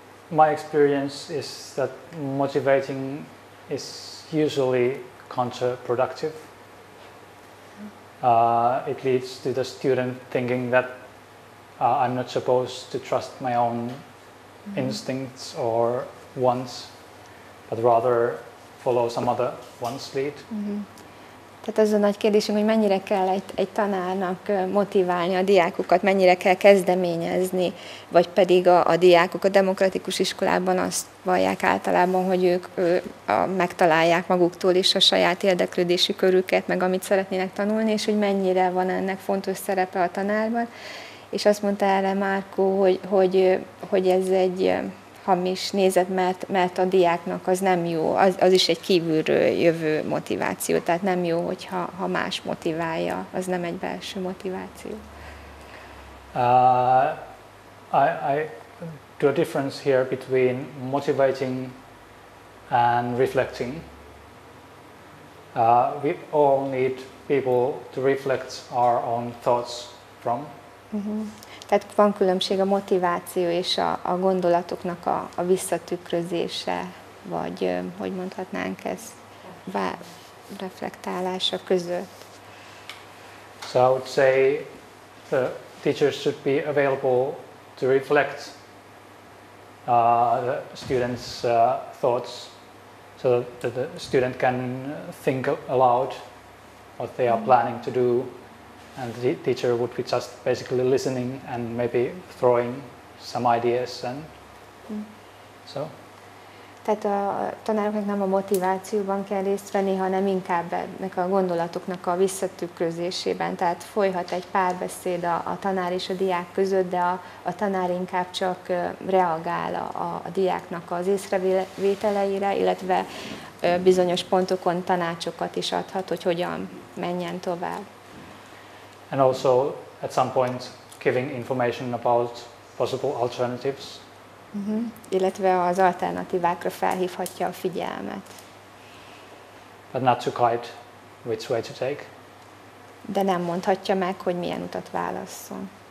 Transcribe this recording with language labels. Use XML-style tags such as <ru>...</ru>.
<en>My experience is that motivating is usually counterproductive. It leads to the student thinking that I'm not supposed to trust my own instincts or wants, but rather follow some other one's lead.</en> <hu>Tehát az a nagy kérdésünk, hogy mennyire kell egy tanárnak motiválni a diákokat, mennyire kell kezdeményezni, vagy pedig a diákok a demokratikus iskolában azt vallják általában, hogy ők megtalálják maguktól is a saját érdeklődési körüket, meg amit szeretnének tanulni, és hogy mennyire van ennek fontos szerepe a tanárban. És azt mondta erre Marko, hogy ez egy hamis nézet, mert a diáknak az nem jó, az is egy kívülről jövő motiváció, tehát nem jó, hogyha ha más motiválja, az nem egy belső motiváció.</hu> <en>I do a difference here between motivating and reflecting. We all need people to reflect our own thoughts from.</en> <hu>Tehát van különbség a motiváció és a gondolatoknak a visszatükrözése, vagy hogy mondhatnánk ezt, reflektálása között.</hu> <en>So I would say the teachers should be available to reflect the students' thoughts, so that the student can think aloud what they are planning to do. And the teacher would be just basically listening and maybe throwing some ideas and so.</en> <hu>Tehát a tanároknak nem a motivációban kell részt venni, hanem inkább ennek a gondolatoknak a visszatükrözésében. Tehát folyhat egy párbeszéd a tanár és a diák között, de a tanár inkább csak reagál a diáknak az észrevételeire, illetve bizonyos pontokon tanácsokat is adhat, hogy hogyan menjen tovább.</hu> <en>And also, at some point, giving information about possible alternatives.</en> <hu>Illetve az alternatívákra felhívhatja a figyelmet.</hu> <en>But not to guide which way to take.</en> <hu>De nem mondhatja meg, hogy milyen utat válasszon.</hu>